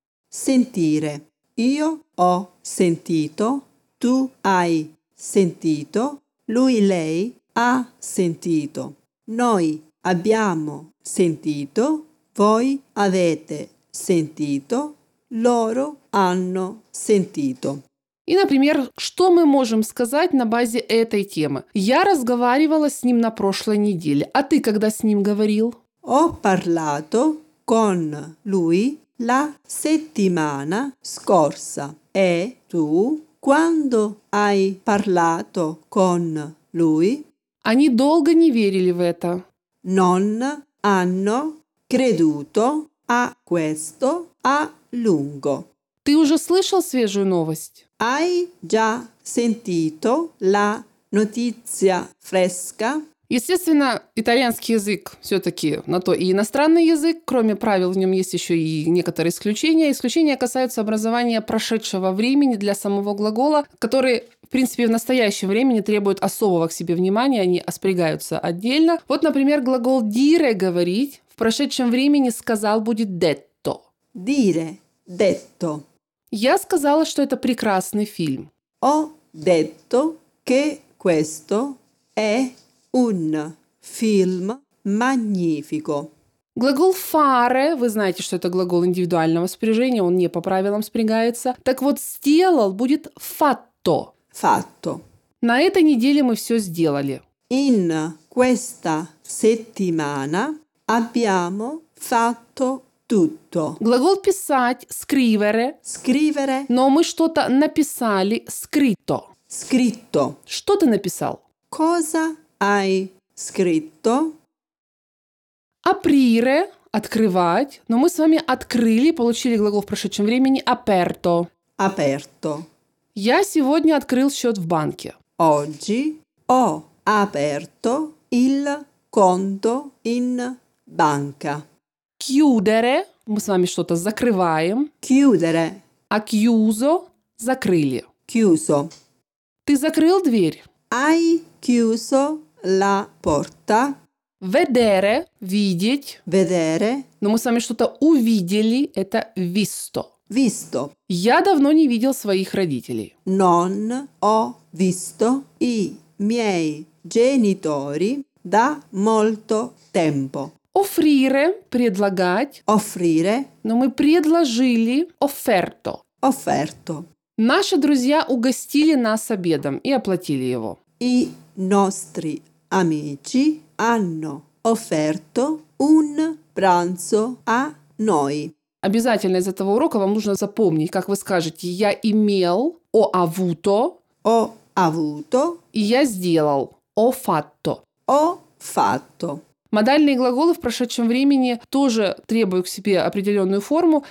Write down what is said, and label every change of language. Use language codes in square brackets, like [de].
[it] Sentire. Io ho sentito, tu hai sentito, lui, lei ha sentito. Noi abbiamo sentito, voi avete sentito, loro hanno sentito. [ru] И, например, что мы можем сказать на базе этой темы? Я разговаривала с ним на прошлой неделе. А ты когда с ним говорил? [it] Ho parlato con lui la settimana scorsa. E tu quando hai parlato con lui? [ru] Они долго не верили в это. [it] Non hanno creduto a questo a lungo. [ru] Ты уже слышал свежую новость? [it] Hai già sentito la notizia fresca? [ru] Естественно, итальянский язык все-таки на то и иностранный язык. Кроме правил, в нем есть еще и некоторые исключения. Исключения касаются образования прошедшего времени для самого глагола, который, в принципе, в настоящее время требует особого к себе внимания, они оспрягаются отдельно. Вот, например, глагол «dire» — «говорить» в прошедшем времени «сказал» будет «detto». [it] «Dire», «detto». [ru] Я сказала, что это прекрасный фильм. [it] «Ho detto che questo è un film magnifico». [ru] Глагол «fare», вы знаете, что это глагол индивидуального спряжения, он не по правилам спрягается. Так вот, «сделал» будет «fatto». [it] «Fatto». [ru] На этой неделе мы все сделали. [it] «In questa settimana abbiamo fatto tutto». [ru] Глагол «писать» – «scrivere». [it] «Scrivere». [ru] Но мы что-то написали – «scritto». [it] «Scritto». [ru] Что ты написал? [it] «Cosa hai scritto?» [ru] «Aprire» – «открывать». Но мы с вами открыли, получили глагол в прошедшем времени «aperto». [it] «Aperto». [ru] Я сегодня открыл счет в банке. [it] Oggi ho aperto il conto in banca. Chiudere. [ru] Мы с вами что-то закрываем. [it] Chiudere. [ru] А chiuso – закрыли. [it] Chiuso. [ru] Ты закрыл дверь? [it] Hai chiuso la porta. Vedere – видеть. Vedere. [ru] Но мы с вами что-то увидели – это visto. [it] Visto. [ru] Я давно не видел своих родителей. [it] Non ho visto i miei genitori da molto tempo. Offrire – предлагать. Offrire. [ru] Но мы предложили – offerto. [it] Offerto. [ru] Наши друзья угостили нас обедом и оплатили его. [it] I nostri amici hanno offerto un pranzo a noi. [ru] Обязательно из этого урока вам нужно запомнить, как вы скажете «я имел», [it] «ho avuto», «ho avuto», [ru] и «я сделал», [it] «ho fatto», «ho fatto». [ru] Модальные глаголы в прошедшем времени тоже требуют к себе определенную форму.